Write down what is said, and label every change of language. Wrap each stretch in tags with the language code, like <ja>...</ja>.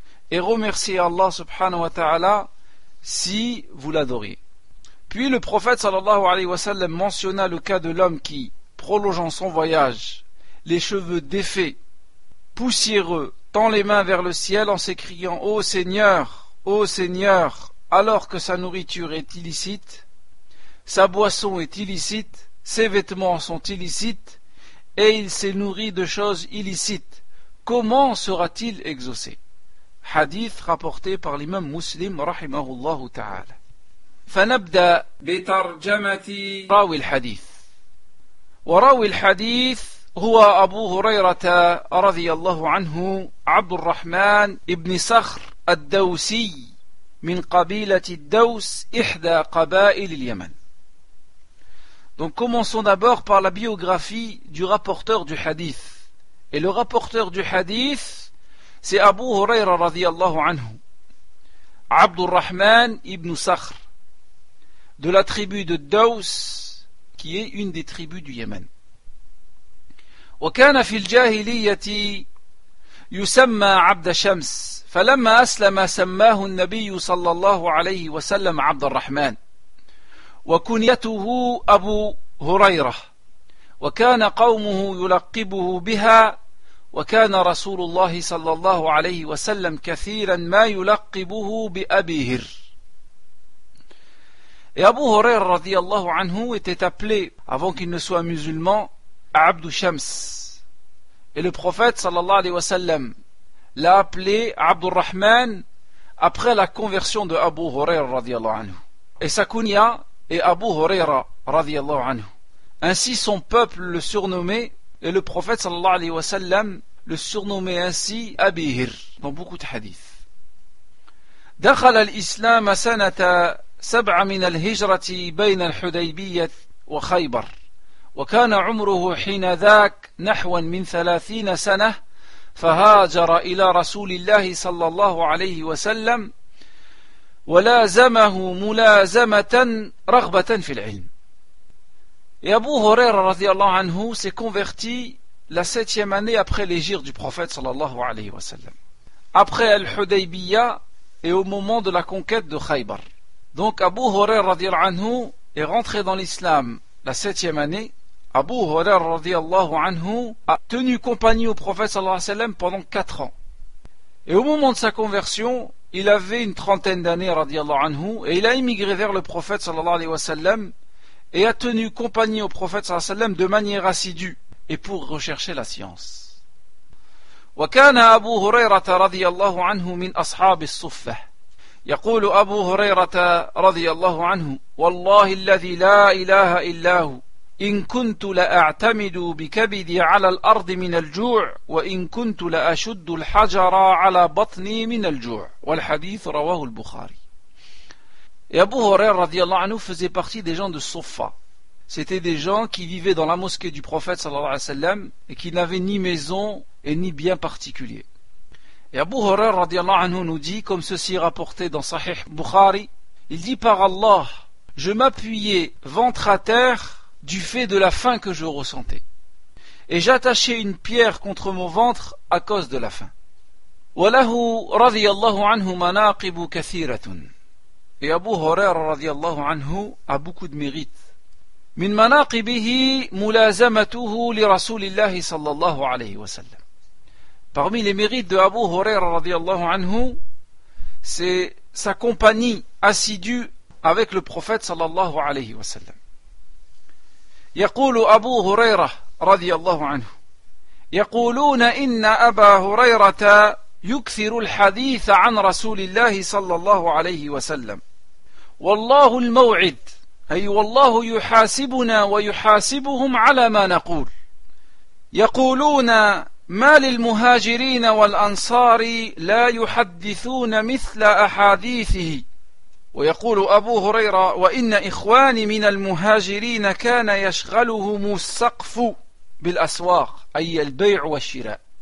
<fr>et remerciez Allah subhanahu wa ta'ala si vous l'adoriez. » Puis le prophète sallallahu alayhi wa sallam mentionna le cas de l'homme qui, prolongeant son voyage, les cheveux défaits, poussiéreux, tend les mains vers le ciel en s'écriant « Ô Seigneur, ô Seigneur !» alors que sa nourriture est illicite, sa boisson est illicite, ses vêtements sont illicites et il s'est nourri de choses illicites. Comment sera-t-il exaucé ? Hadith rapporté par l'imam Muslim rahimahullahu ta'ala.</fr> <ar>فَنَبْدَى بِتَرْجَمَةِ رَوِي الْحَدِيثِ وَرَوِي الْحَدِيثِ هو أبو هريرة رضي الله عنه عبد الرحمن ابن صخر الدوسي من قبيلة الدوس إحدى قبائل اليمن.</ar> <fr>Donc commençons d'abord par la biographie du rapporteur du hadith. Et le rapporteur du hadith, c'est Abu Huraira رضي الله عنه, عبد الرحمن ابن صخر, de la tribu de Daus, qui est une des tribus du Yémen.</fr> <ar>وكان في الجاهلية يسمى عبد شمس فلما أسلم سماه النبي صلى الله عليه وسلم عبد الرحمن وكنيته أبو هريرة وكان قومه يلقبه بها وكان رسول الله صلى الله عليه وسلم كثيرا ما يلقبه بأبي هر.</ar> <fr>Et Abu Hurayra رضي الله عنه était appelé avant qu'il ne soit musulman عبد شمس. Et le prophète sallallahu alayhi wa sallam l'a appelé Abdurrahman après la conversion de Abu Huraira radiyallahu anhu. Et sa kunya est Abu Huraira radiyallahu anhu. Ainsi son peuple le surnommait Et le prophète sallallahu alayhi wa sallam le surnommait ainsi Abi Hir dans beaucoup de hadiths.</fr> <ar>دخل الإسلام سنة سبع من الهجرة بين الحديبية وخيبر وكان عمره حين ذاك نحو من 30 سنة فهاجر إلى رسول الله صلى الله عليه وسلم ولازمه ملازمة رغبة في العلم.</ar> <fr>Et Abu Huraira رضي الله عنه s'est converti la 7e année après l'hégire du prophète صلى الله عليه وسلم après الحديبية et au moment de la conquête de Khaybar. Donc Abu Hurayra radiallahu anhu est rentré dans l'islam la 7e année. Abu Hurayra radiallahu anhu a tenu compagnie au prophète sallallahu alayhi wa sallam pendant 4 ans. Et au moment de sa conversion, il avait une 30aine d'années radiallahu anhu et il a immigré vers le prophète sallallahu alayhi wa sallam et a tenu compagnie au prophète sallallahu alayhi wa sallam de manière assidue et pour rechercher la science.</fr> <ar>وكان أبو هريرة رضي الله عنه من أصحاب الصفة يقول أبو هريرة رضي الله عنه والله الذي لا إله إلا هو إن كنت لأعتمد بكبدي على الأرض من الجوع وإن كنت لأشد الحجر على بطني من الجوع والحديث رواه البخاري.</ar> <fr>أبو هريرة رضي الله عنه faisait partie des gens de Suffa. C'était des gens qui vivaient dans la mosquée du prophète sallallahu alayhi wa sallam et qui n'avaient ni maison et ni bien particulier. Et Abu Hurayra radiallahu anhu nous dit, comme ceci est rapporté dans Sahih Bukhari, il dit par Allah, je m'appuyais ventre à terre du fait de la faim que je ressentais. Et j'attachais une pierre contre mon ventre à cause de la faim.</fr> <ar>Walahu radiallahu anhu manaqibu kathiratun.</ar> <fr>Et Abu Hurayra radiallahu anhu a beaucoup de mérite.</fr> <ar>من مناقبه ملازمته لرسول الله صلى الله عليه وسلم.</ar> <fr>Parmi les mérites de Abu Huraira رضي الله عنه, c'est sa compagnie assidue avec le prophète صلى الله عليه وسلم.</fr> <ar>يقول أبو هريرة رضي الله عنه, يقولون إن أبا هريرة يكثر الحديث عن رسول الله صلى الله عليه وسلم. والله الموعد. أي والله يحاسبنا ويحاسبهم على ما نقول يقولون ما للمهاجرين والأنصار لا يحدثون مثل أحاديثه ويقول أبو هريرة وإن إخواني من المهاجرين كان يشغلهم السقف بالأسواق أي البيع والشراء</ar>